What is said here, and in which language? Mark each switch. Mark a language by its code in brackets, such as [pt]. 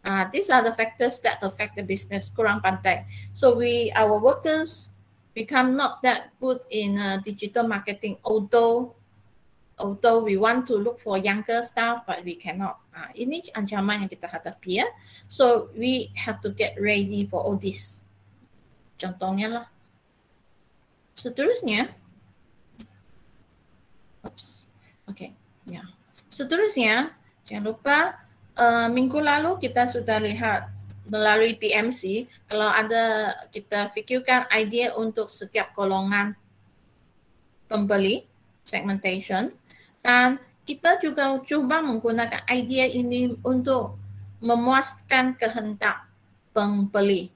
[en] These are the factors that affect the business. [ms] Kurang pandai. [en] So our workers become not that good in digital marketing. Although we want to look for younger staff, but we cannot. [ms] Ini ancaman yang kita hadapi ya. [en] So we have to get ready for all this. [ms] Contohnya lah. Seterusnya. Oops. Okay. Yeah. Seterusnya, jangan lupa. Minggu lalu kita sudah lihat melalui PMC, kalau ada kita fikirkan idea untuk setiap golongan pembeli, segmentation, dan kita juga cuba menggunakan idea ini untuk memuaskan kehendak pembeli.